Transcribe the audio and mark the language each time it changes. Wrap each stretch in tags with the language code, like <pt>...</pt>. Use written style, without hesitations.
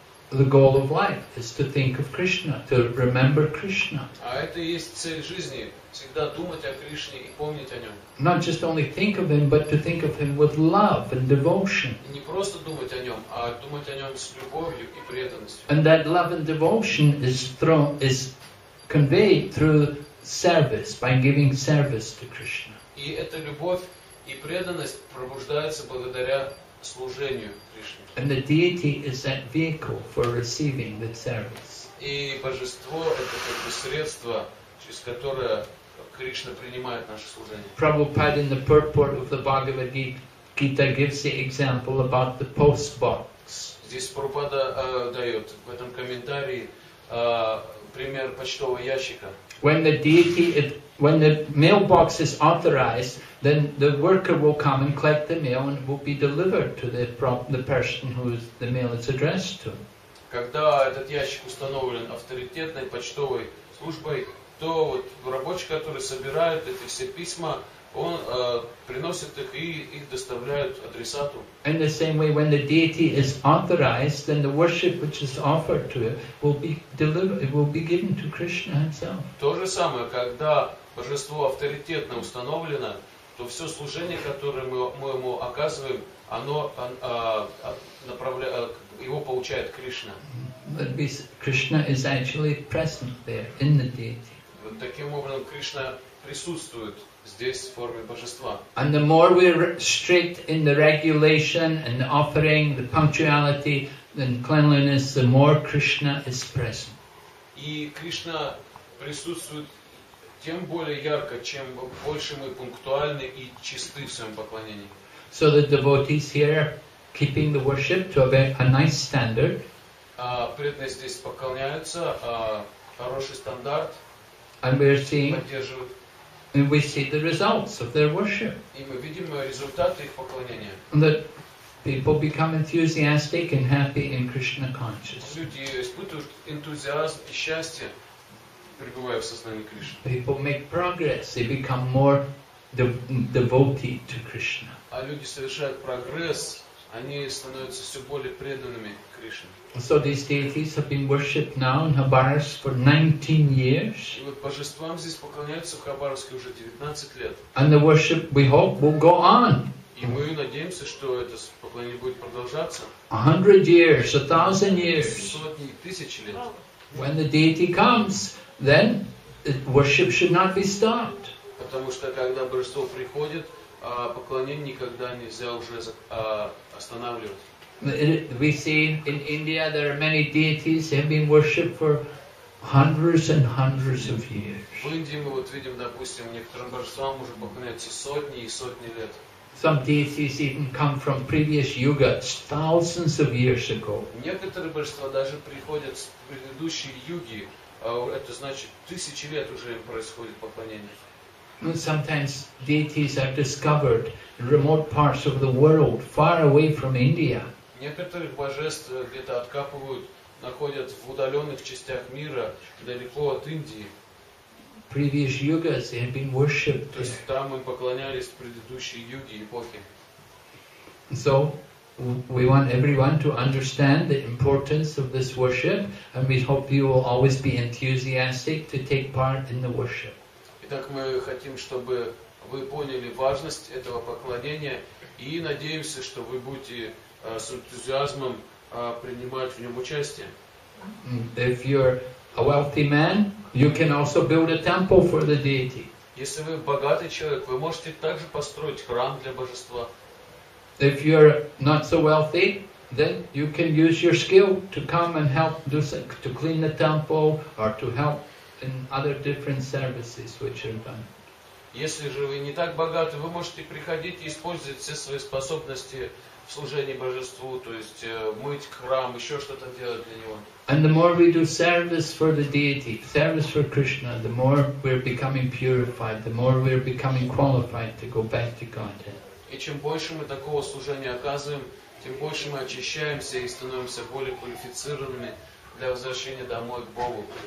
<en>The goal of life is to think of Krishna, to remember Krishna.</en> <ru>А это и есть цель жизни, всегда думать о Кришне и помнить о нем.</ru> <en>Not just only think of him, but to think of him with love and devotion.</en> <ru>И не просто думать о нем, а думать о нем с любовью и преданностью.</ru> <en>And that love and devotion is conveyed through service, by giving service to Krishna.</en> <ru>И эта любовь и преданность пробуждается благодаря служению.</ru> <en>And the deity is that vehicle for receiving the service.</en> <ru>И божество это как бы средство, через которое Кришна принимает наше служение.</ru> <en>Prabhupada in the purport of the Bhagavad Gita gives the example about the post box.</en> <ru>Здесь Прабхупада дает в этом комментарии пример почтового ящика.</ru> <en>When the mailbox is authorized, then the worker will come and collect the mail and it will be delivered to the person who the mail is addressed to.</en> <ru>Когда этот ящик установлен авторитетной почтовой службой, то вот рабочий, который собирает эти все письма, Он приносит их и их доставляет адресату.</ru> <en>In the same way, when the deity is authorized, then the worship which is offered to it will be delivered, it will be given to Krishna himself.</en> <ru>То же самое, когда божество авторитетно установлено, то все служение, которое мы ему оказываем, оно направляет, его получает Кришна.</ru> <en>But Krishna is actually present there in the deity.</en> <ru>Вот таким образом Кришна присутствует здесь в форме божества.</ru> <en>And the more we are strict in the regulation and the offering, the punctuality and cleanliness, the more Krishna is present.</en> <ru>И Кришна присутствует тем более ярко, чем больше мы пунктуальны и чисты в своем поклонении.</ru> <en>So the devotees here keeping the worship to a nice standard.</en> <ru>Преданные здесь поклоняются, хороший стандарт.</ru> <en>And we are seeing, and we see the results of their worship.</en> <ru>И мы видим результаты их поклонения.</ru> <en>And that people become enthusiastic and happy in Krishna consciousness.</en> <ru>Люди испытывают энтузиазм и счастье, пребывая в сознании Кришны.</ru> <en>People make progress. They become more devoted to Krishna.</en> <ru>А люди совершают прогресс, они становятся все более преданными Кришне.</ru> <en>So these deities have been worshipped now in Khabarovsk for 19 years.</en> <ru>И вот божествам здесь поклоняются в Хабаровске уже 19 лет.</ru> <en>And the worship, we hope, will go on.</en> <ru>И мы надеемся, что это поклонение будет продолжаться.</ru> <en>100 years, 1,000 years.</en> <ru>Сотни, тысячи лет.</ru> <en>When the deity comes, then worship should not be stopped.</en> <ru>Потому что когда божество приходит, поклонение никогда нельзя уже останавливать.</ru> <en>We see in India there are many deities have been worshipped for hundreds and hundreds of years.</en> <ru>В Индии мы вот видим, допустим, некоторым божествам уже поклоняются сотни и сотни лет.</ru> <en>Some deities even come from previous yugas, thousands of years ago.</en> <ru>Некоторые божества даже приходят с предыдущей юги, это значит тысячи лет уже им происходит поклонение.</ru> <en>Sometimes deities are discovered in remote parts of the world, far away from India.</en> <ru>Некоторых божеств где-то откапывают, находят в удаленных частях мира, далеко от Индии.</ru> <en>Previous yugas they have been worshipped.</en> <ru>То есть там им поклонялись в предыдущие юги, эпохи.</ru> <en>So we want everyone to understand the importance of this worship, and we hope you will always be enthusiastic to take part in the worship.</en> <ru>Итак, мы хотим, чтобы вы поняли важность этого поклонения и надеемся, что вы будете с энтузиазмом принимать в нем участие.</ru> <en>If you're a wealthy man, you can also build a temple for the deity.</en> <ru>Если вы богатый человек, вы можете также построить храм для божества.</ru> <en>If you're not so wealthy, then you can use your skill to come and help do to clean the temple or to help in other different services which are done.</en> <ru>Если же вы не так богаты, вы можете приходить и использовать все свои способности в служении божеству, то есть мыть храм, еще что-то делать для него.</ru> <en>And the more we do service for the deity, service for Krishna, the more we're becoming purified, the more we're becoming qualified to go back to Godhead.</en> <ru>И чем больше мы такого служения оказываем, тем больше мы очищаемся и становимся более квалифицированными для возвращения домой к Богу.</ru>